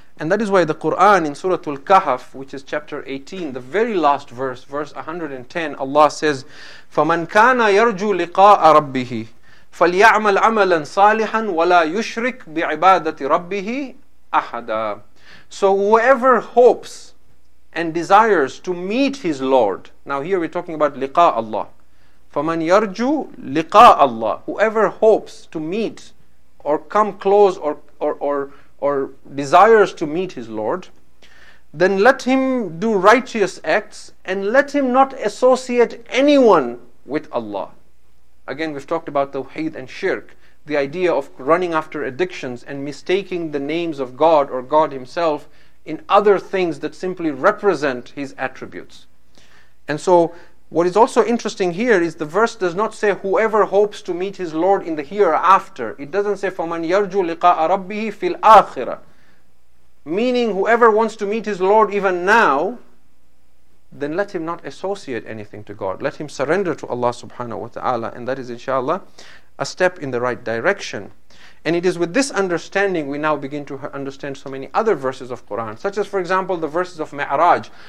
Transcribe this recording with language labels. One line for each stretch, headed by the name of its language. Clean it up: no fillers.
English: And that is why the Quran in Surah Al-Kahf, which is chapter 18, the very last verse, verse 110, Allah says,
Arabic: فَمَنْ كَانَ يَرْجُو لِقَاءَ رَبِّهِ فَلْيَعْمَلْ عَمَلًا صَالِحًا وَلَا يُشْرِكْ بِعِبَادَةِ رَبِّهِ أَحَدًا.
English: So whoever hopes and desires to meet his Lord. Now here we're talking about liqa Allah.
Arabic: فَمَنْ يَرْجُو لِقَاءَ Allah.
English: Whoever hopes to meet or come close or desires to meet his Lord, then let him do righteous acts and let him not associate anyone with Allah. Again, we've talked about tawheed and shirk, the idea of running after addictions and mistaking the names of God or God himself in other things that simply represent his attributes. And so what is also interesting here is the verse does not say whoever hopes to meet his Lord in the hereafter. It doesn't say
Arabic: فَمَنْ يَرْجُوا لِقَاءَ رَبِّهِ فِي الْآخِرَةِ.
English: Meaning whoever wants to meet his Lord even now, then let him not associate anything to God. Let him surrender to Allah subhanahu wa ta'ala. And that is inshallah a step in the right direction. And it is with this understanding we now begin to understand so many other verses of Quran, such as, for example, the verses of Mi'raj.